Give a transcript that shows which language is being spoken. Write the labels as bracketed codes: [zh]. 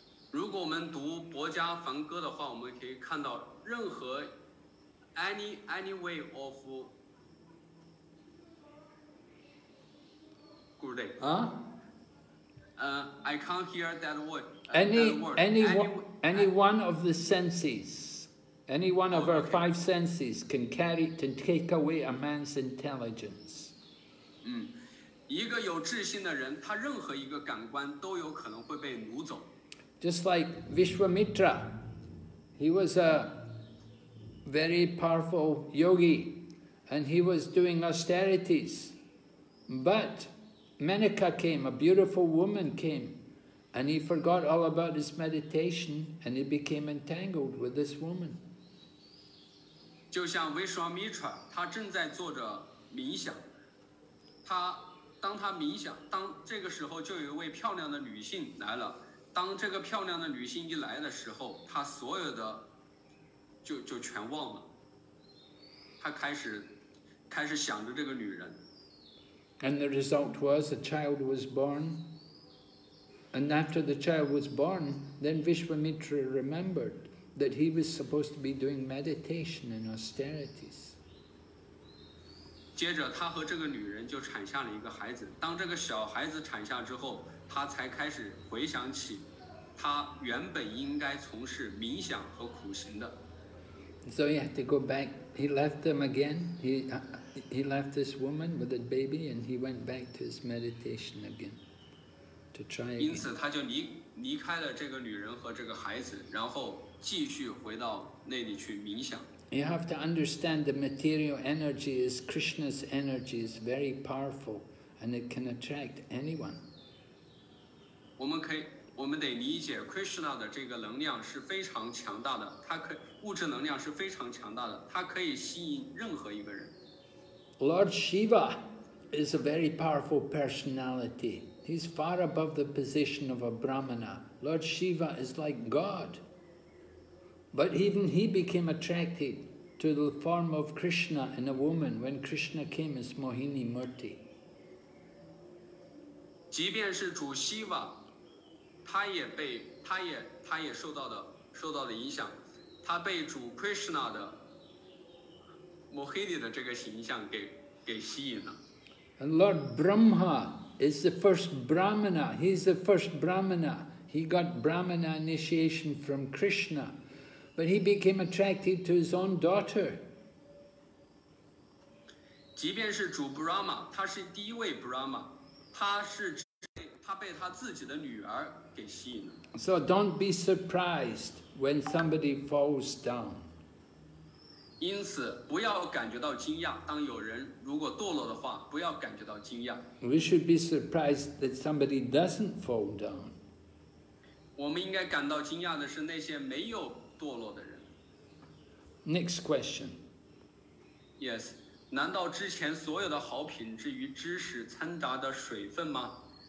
[zh] 如果我们读博伽梵歌的话，我们可以看到任何 [en] any way of good day. I can't hear that word. Any one of the senses, any one of our five senses can carry to take away a man's intelligence. [zh] 一个有智性的人，他任何一个感官都有可能会被掳走。 [en] Just like Vishwamitra, he was a very powerful yogi and he was doing austerities. But Menaka came, a beautiful woman came, and he forgot all about his meditation and he became entangled with this woman. [zh] 就像 Vishwamitra, 他正在做着冥想。他当他冥想，当这个时候就有一位漂亮的女性来了。当这个漂亮的女性一来的时候，她所有的就全忘了。她开始想着这个女人。 [en] And the result was a child was born. And after the child was born, then Vishwamitra remembered that he was supposed to be doing meditation and austerities. [zh] 接着，他和这个女人就产下了一个孩子。当这个小孩子产下之后，他才开始回想起。他原本应该从事冥想和苦行的。 [en] So he had to go back. He left them again. He left this woman with a baby, and he went back to his meditation again to try again. [zh] 因此，他就离开了这个女人和这个孩子，然后继续回到那里去冥想。 [en] You have to understand the material energy is Krishna's energy is very powerful, and it can attract anyone. [zh] 我们得理解 Krishna 的这个能量是非常强大的，它可物质能量是非常强大的，它可以吸引任何一个人。 [en] Lord Shiva is a very powerful personality. He's far above the position of a Brahmana. Lord Shiva is like God. But even he became attracted to the form of Krishna in a woman when Krishna came as Mohini Murti. [zh] 即便是主 Shiva。他也受到了影响，他被主 Krishna 的 Mohini 的这个形象给吸引了。 [en] And Lord Brahma is the first Brahmana. He's the first Brahmana. He got Brahmana initiation from Krishna, but he became attracted to his own daughter. [zh] 即便是主 Brahma， 他是第一位 Brahma， 他被他自己的女儿。 [en] So don't be surprised when somebody falls down. [zh] 因此，不要感觉到惊讶。当有人如果堕落的话，不要感觉到惊讶。 [en] We should be surprised that somebody doesn't fall down. [zh] 我们应该感到惊讶的是那些没有堕落的人。 [en] Next question. Yes. [zh] 难道之前所有的好品质与知识掺杂的水分吗？